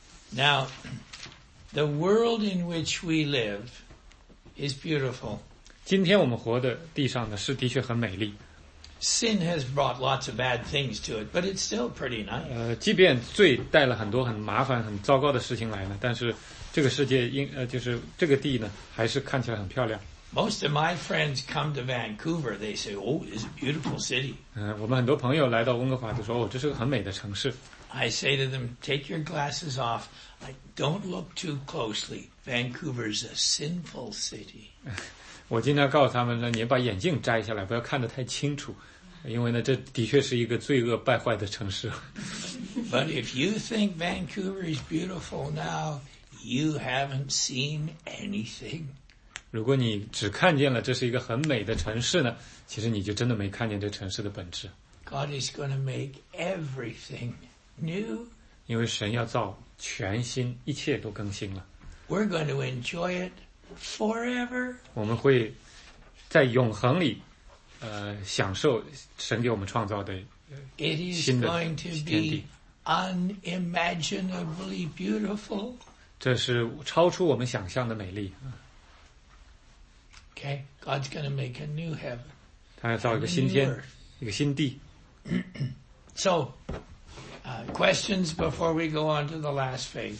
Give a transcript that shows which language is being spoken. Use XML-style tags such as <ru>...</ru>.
<en>Now, the world in which we live is beautiful.</en> <zh>今天我们活的地上呢，是的确很美丽。</zh> <en>Sin has brought lots of bad things to it, but it's still pretty nice.</en> <zh>即便罪带了很多很麻烦、很糟糕的事情来呢，但是这个世界就是这个地呢，还是看起来很漂亮。</zh> <en>Most of my friends come to Vancouver, they say, "Oh, it's a beautiful city."</en> <zh>我们很多朋友来到温哥华就说，哦，这是个很美的城市。</zh> <en>I say to them, "Take your glasses off. Don't look too closely. Vancouver's a sinful city."</en> <zh>我经常告诉他们呢，你把眼镜摘下来，不要看得太清楚，因为呢，这的确是一个罪恶败坏的城市。</zh> <en>But if you think Vancouver is beautiful now, you haven't seen anything.</en> <zh>如果你只看见了这是一个很美的城市呢，其实你就真的没看见这城市的本质。</zh> <en>God is going to make everything new.</en> <zh>因为神要造全新，一切都更新了。</zh> <en>We're going to enjoy it. Forever,</en> <zh>我们会在永恒里，享受神给我们创造的</zh> <en>It is going to be unimaginably beautiful.</en> <zh>这是超出我们想象的美丽。</zh> <en>Okay, God's going to make a new heaven.</en> <zh>他要造一个新天，一个新地。</zh> <en>So, questions before we go on to the last phase.</en>